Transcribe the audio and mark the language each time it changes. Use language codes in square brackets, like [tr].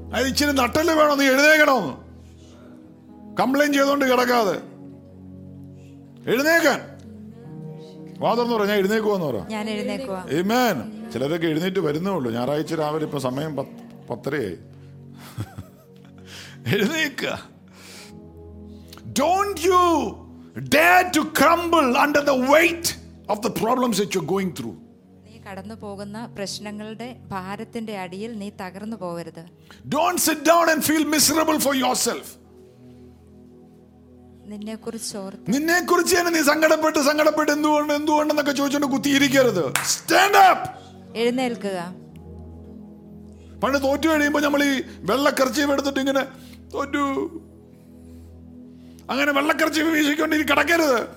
[ml] ഇച്ചിരി നട്ടല് വേണോ, നീ എഴുന്നേക്കണോ, കംപ്ലൈന്റ് ചെയ്തോണ്ട് കിടക്കാതെ എഴുന്നേക്കാൻ വാതർന്നു പറ, ഞാൻ എഴുന്നേക്കുവാന്ന് പറ. ആമേൻ. ചിലരൊക്കെ എഴുന്നേറ്റ് വരുന്നുള്ളൂ. ഞായറാഴ്ച രാവിലെ ഇപ്പൊ സമയം 10:30 എഴുന്നേക്ക. [en] Don't you dare to crumble under the weight of the problems that you're going through. [ml] കടന്നു പോകുന്ന പ്രശ്നങ്ങളുടെ ഭാരത്തിന്റെ അടിയിൽ നീ തകർന്നു പോകരുത്. [en] Don't sit down and feel miserable for yourself. [ml] നിന്നെ കുറിച്ച് തന്നെ നീ സങ്കടപ്പെട്ട് സങ്കടപ്പെട്ട് എന്തുകൊണ്ട് എന്തുകൊണ്ടെന്നൊക്കെ ചോദിച്ചോണ്ട് കുത്തിയിരിക്കരുത്. [en] stand up, [ml] എഴുന്നേൽക്കുക. പണ്ട് തോറ്റു കഴിയുമ്പോ നമ്മൾ ഈ വെള്ളക്കറച്ചീവ് എടുത്തിട്ട് ഇങ്ങനെ തോറ്റു, അങ്ങനെ വെള്ളക്കറച്ചീവ് വീശിക്കൊണ്ട് ഇനി കിടക്കരുത്.